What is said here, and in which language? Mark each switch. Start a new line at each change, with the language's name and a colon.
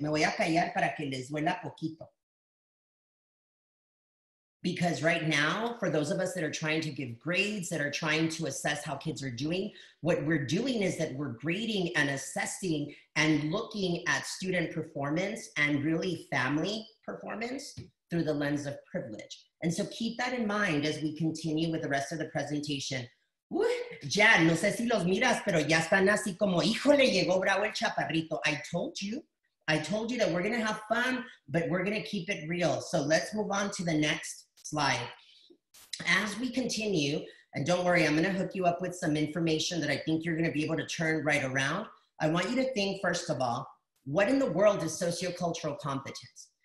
Spanish: Me voy a callar para que les duela poquito.
English: Because right now, for those of us that are trying to give grades, that are trying to assess how kids are doing, what we're doing is that we're grading and assessing and looking at student performance and really family performance through the lens of privilege. And so keep that in mind as we continue with the rest of the presentation. Woo!
Spanish: Jan, no sé si los miras, pero ya están así como, híjole, llegó bravo el chaparrito.
English: I told you that we're gonna have fun, but we're gonna keep it real. So let's move on to the next slide. As we continue, and don't worry, I'm gonna hook you up with some information that I think you're gonna be able to turn right around. I want you to think, first of all, what in the world is sociocultural competence?